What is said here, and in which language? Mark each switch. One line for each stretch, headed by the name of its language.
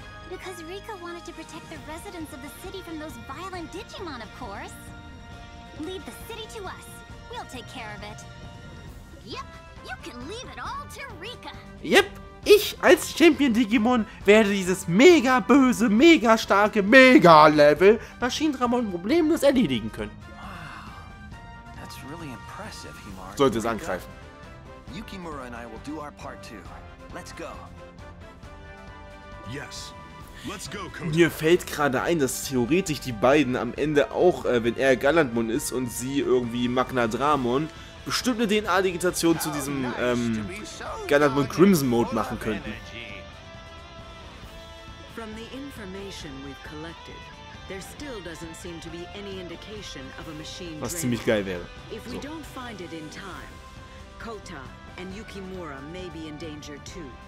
English: Because Rika wanted to protect the residents of the city from those violent Digimon, of course. Leave the city to us. We'll take care of it. Yep, you can leave it all to Rika.
German: Yep, ich als Champion Digimon werde dieses mega böse, mega starke, mega Level Machine Draymond problemlos erledigen können.
English: Wow, that's really impressive, Himari.
German: Sollte es angreifen.
English: Yukimura and I will do our part too. Let's go. Yes.
German: Mir fällt gerade ein, dass theoretisch die beiden am Ende auch, wenn er Galantmon ist und sie irgendwie Magna Dramon, bestimmt eine DNA-Digitation zu diesem, Gernard von Crimson Mode machen könnten.
English: From the information we've collected, there still doesn't seem to be any indication of a machine.
German: Was ziemlich geil wäre.
English: If we don't find it in time, Kota and Yukimura may be in danger too.